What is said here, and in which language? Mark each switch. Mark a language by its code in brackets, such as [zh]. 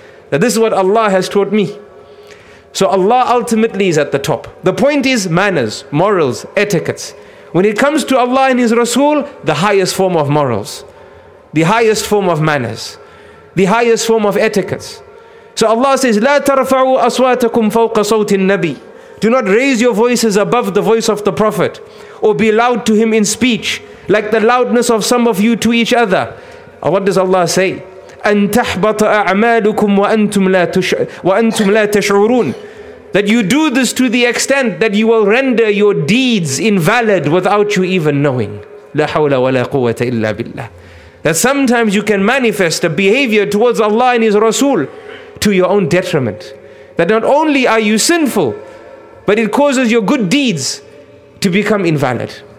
[en] That this is what Allah has taught me. So Allah ultimately is at the top. The point is manners, morals, etiquettes. When it comes to Allah and His Rasul, the highest form of morals, the highest form of manners, the highest form of etiquettes. So Allah says, [ar] لا ترفعوا أصواتكم فوق صوت النبي. [en] Do not raise your voices above the voice of the Prophet, or be loud to him in speech, like the loudness of some of you to each other. What does Allah say? [ar] أن تحبط أعمالكم وأنتم لا تشعرون. [en] That you do this to the extent that you will render your deeds invalid without you even knowing. [ar] لا حول ولا قوة إلا بالله. [en] That sometimes you can manifest a behavior towards Allah and His Rasul to your own detriment. That not only are you sinful, but it causes your good deeds to become invalid.